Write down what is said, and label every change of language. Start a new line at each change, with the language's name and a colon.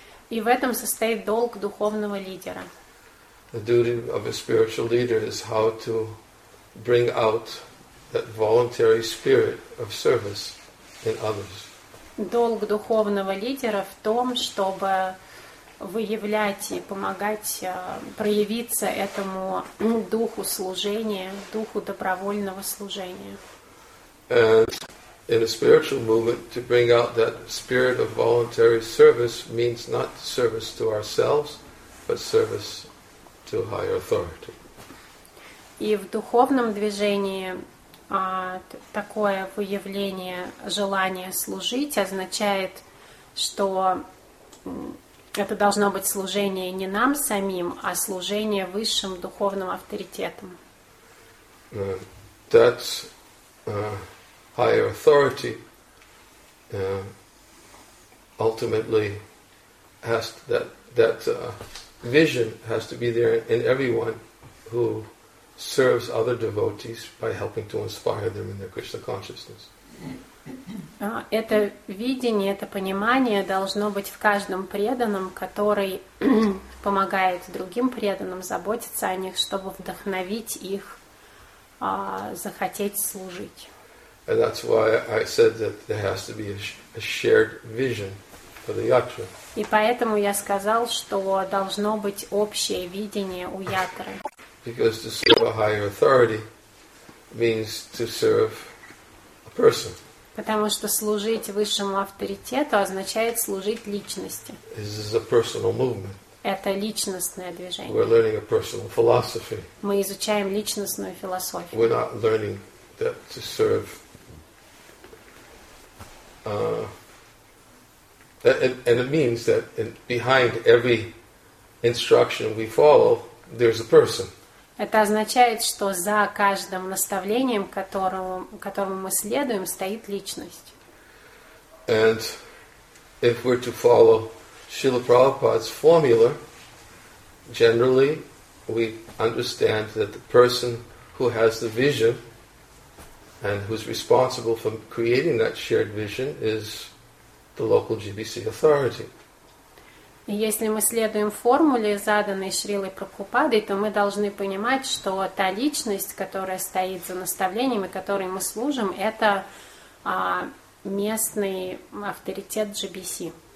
Russian: И в этом состоит долг духовного лидера.
English: The duty of a spiritual leader is how to bring out that voluntary spirit of service.
Russian: Долг духовного лидера в том, чтобы выявлять и помогать проявиться этому духу служения, духу добровольного служения.
English: And in a spiritual movement, to bring out that spirit of voluntary service means not service to ourselves, but service to higher authority.
Russian: И в духовном движении такое выявление желания служить означает, что это должно быть служение не нам самим, а служение высшим духовным авторитетом.
English: That's higher authority ultimately has to, vision has to be there in everyone who serves other devotees by helping to inspire them in their Krishna consciousness.
Russian: Это видение, это понимание должно быть в каждом преданном, который помогает другим преданным заботиться о них, чтобы вдохновить их захотеть служить.
English: And that's why I said that there has to be a shared vision for the yatra.
Russian: И поэтому я сказал, что должно быть общее видение у ятры.
English: Because to serve a higher authority means to serve a person.
Russian: Потому что служить высшему авторитету означает служить личности.
English: This is a personal movement.
Russian: Это личностное движение.
English: We're learning a personal philosophy.
Russian: Мы изучаем личностную философию.
English: We're not learning that to serve and it means that behind every instruction we follow, there's a person.
Russian: Это означает, что за каждым наставлением, которому мы следуем, стоит личность.
English: And if we're to follow Srila Prabhupada's formula, generally we understand that the person who has the vision and who's responsible for creating that shared vision is the local GBC authority.
Russian: Если мы следуем формуле, заданной Шрилой Прабхупадой, то мы должны понимать, что та личность, которая стоит за наставлениями, которой мы служим, это местный авторитет GBC.